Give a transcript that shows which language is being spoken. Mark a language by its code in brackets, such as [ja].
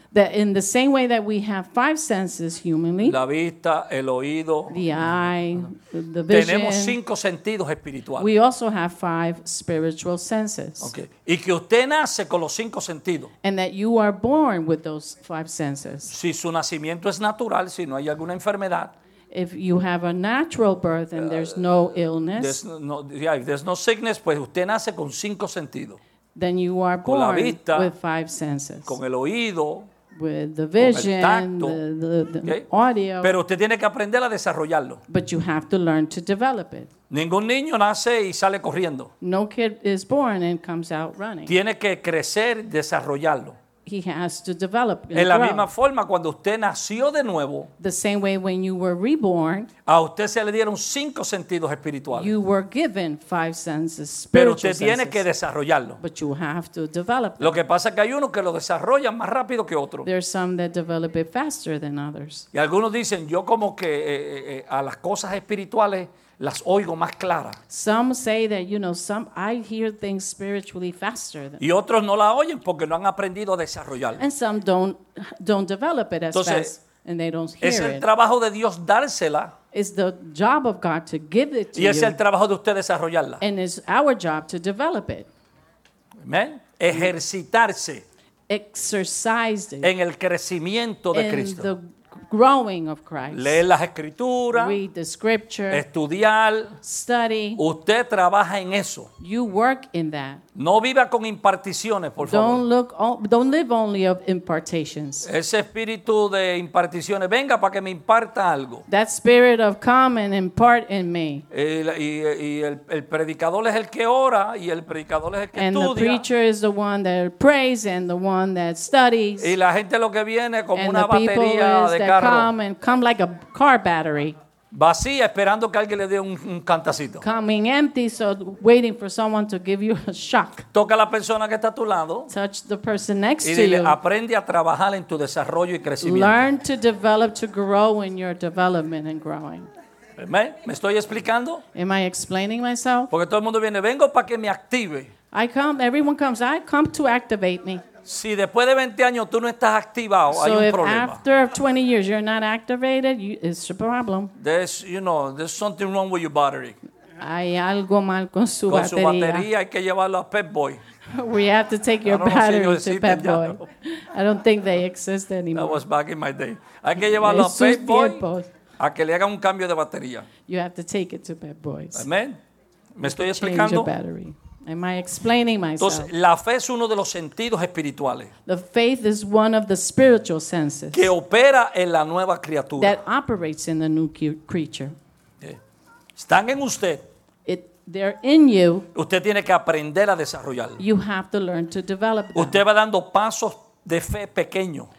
[en] that in the same way that we have five senses humanly, [es] la vista, el oído, [en] the eye, the vision, [es] tenemos cinco sentidos espirituales. [en] We also have five spiritual senses. Okay. [es] Y que usted nace con los cinco sentidos. [en] And that you are born with those five senses. [es] Si su nacimiento es natural, si no hay alguna enfermedad. [en] If you have a natural birth and there's no illness. If there's no sickness, [es] pues usted nace con cinco sentidos. [en] Then you are born [es] con la vista, [en] with five senses. [es] Con el oído. [en] With the vision. [es] Con el tacto, [en] the audio. [es] Pero usted tiene que aprender a desarrollarlo. [en] But you have to learn to develop it. [es] Ningún niño nace y sale corriendo. [en] No kid is born and comes out running. [es] Tiene que crecer, desarrollarlo. [en] He has to develop and [es] en la [en] grow. [es] Misma forma cuando usted nació de nuevo, [en] the same way when you were reborn, [es] a usted se le dieron cinco sentidos espirituales. [en] You were given five senses, spiritual [es] pero usted [en] senses, [es] tiene que desarrollarlo. [en] But you have to develop [es] lo que pasa es que hay unos que lo desarrollan más rápido que otros. [en] There are some that develop it faster than others. [es] Y algunos dicen yo como que a las cosas espirituales las oigo más claras. [en] Some say that, you know, some I hear things spiritually faster than. [es] Y otros no la oyen porque no han aprendido a desarrollarlo. [en] And some don't develop it as [es] entonces, [en] fast and they don't hear [es] es el [en] it. [es] Trabajo de Dios dársela. [en] It's the job of God to give it to [es] y [en] you. [es] Y es el trabajo de usted desarrollarla. [en] And it's our job to develop it. [es] Amen. Ejercitarse. [en] Exercise it. [es] En el crecimiento de Cristo. [en] The growing of Christ. [es] Leer las escrituras. [en] Read the scripture. [es] Estudiar. [en] Study. [es] Usted trabaja en eso. [en] You work in that. [es] No viva con imparticiones, por [en] don't [es] favor. [en] Don't live only of impartations. [es] Ese espíritu de imparticiones, venga para que me imparta algo. [en] That spirit of come and impart in me. [es] Y el predicador es el que ora y el predicador es el que [en] and [es] estudia. [en] And the preacher is the one that prays and the one that studies. [es] Y la gente lo que viene como [en] and [es] una batería de [en] that [es] carro. [en] Come and come like a car battery. [es] Vacía, esperando que alguien le dé un cantacito. [en] Coming empty, so waiting for someone to give you a shock. [es] Toca a la persona que está a tu lado. [en] Touch the person next to you. [es] Y dile, aprende a trabajar en tu desarrollo y crecimiento. [en] Learn to develop, to grow in your development and growing. [es] ¿Me estoy explicando? [en] Am I explaining myself? [es] Porque todo el mundo viene, vengo para que me active. [en] I come, everyone comes, I come to activate me. [es] Si después de 20 años tú no estás activado, [en] so [es] hay un problema. [en] So if after 20 years you're not activated, it's a problem. There's something wrong with your battery. [es] Hay algo mal con su con batería. Con su batería hay que llevarlo a Pep Boy. [en] We have to take your battery to Pep Boy. [es] No. [en] I don't think they exist anymore. That was back in my day. [es] Hay que llevarlo a Pep Boy a que le hagan un cambio de batería. [en] You have to take it to Pep Boys. [es] Amen. ¿Me estoy explicando? [en] Change your battery. Am I explaining myself? [es] Entonces, la fe es uno de los sentidos espirituales. [en] The faith is one of the spiritual senses. [es] Que opera en la nueva criatura. [en] That operates in the new creature. [es] Okay. Están en usted. [en] They're in you. [es] Usted tiene que aprender a desarrollarlo. [en] You have to learn to develop them. [es] Usted va dando pasos de fe pequeños.